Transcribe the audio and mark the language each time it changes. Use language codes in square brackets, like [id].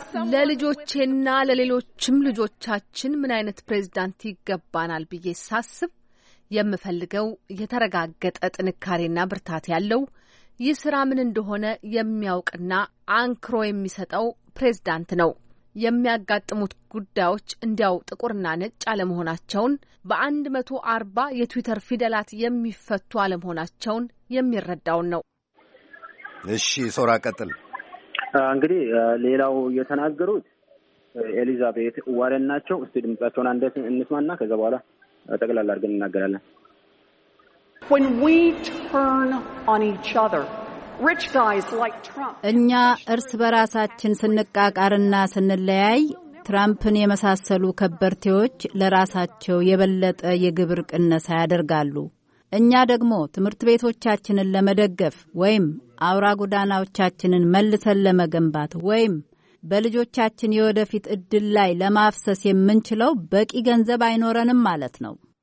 [am] ለልጆቼና ለሌሎችም ልጆቻችን ምን አይነት ፕሬዝዳንት ይገባናል ብዬ ሳስብ የምፈልገው የተረጋገጠ ጥንካሬና ብርታት ያለው የሥራ ምን እንደሆነ የሚያውቅና አንክሮ የሚሰጠው ፕሬዝዳንት ነው። የሚያጋጥሙት ጉዳዮች እንዲያው ጥቁርና ነጭ አለመሆናቸውን፣ በ140 የትዊተር ፊደላት የሚፈቱ አለመሆናቸውን የሚረዳውን ነው። እሺ ሶራ ቀጥል። እንግዲህ ሌላው የተናገሩት ኤሊዛቤት ዋረን ናቸው። እስቲ ድምጻቸውን አንዴ እንስማና ከዛ በኋላ ጠቅላላ አድርገን እናገራለን። [en] When we turn on each other, rich guys like Trump. [am] እኛ እርስ በራሳችን ስንቃቃርና ስንለያይ ትራምፕን የመሳሰሉ ከበርቴዎች ለራሳቸው የበለጠ የግብር ቅነሳ ያደርጋሉ። እኛ ደግሞ ትምህርት ቤቶቻችንን ለመደገፍ ወይም አውራ ጎዳናዎቻችንን መልሰን ለመገንባት ወይም በልጆቻችን የወደፊት እድል ላይ ለማፍሰስ የምንችለው በቂ ገንዘብ አይኖረንም ማለት ነው።